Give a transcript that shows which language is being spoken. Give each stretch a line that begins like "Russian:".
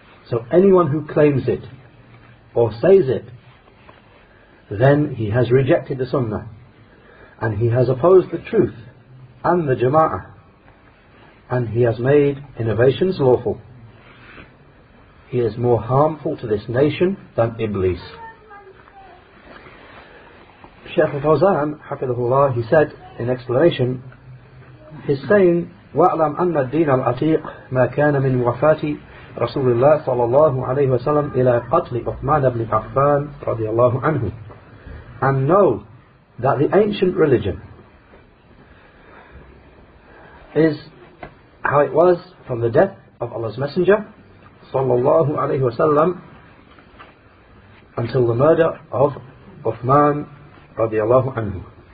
English: So anyone who claims it or says it, then he has rejected the Sunnah, and he has opposed the truth and the Jama'ah, and he has made innovations lawful. He is more harmful to this nation than Iblis. Shaykh Fawzan, hafidhullah, he said in explanation, he's saying,
Arabic: وَأَعْلَمْ أَنَّ الدِّينَ الْأَتِيقَ مَا كَانَ مِنْ وَفَاتِ رَسُولِ اللَّهِ صَلَى اللَّهُ عَلَيْهِ وَسَلَمْ إِلَىٰ قَتْلِ عُثْمَانَ بْنِ عَفَّانَ رضي الله عنه.
English: And know that the ancient religion is how it was from the death of Allah's Messenger sallallahu alayhi wasallam until the murder of Uthman radiallahu anhu.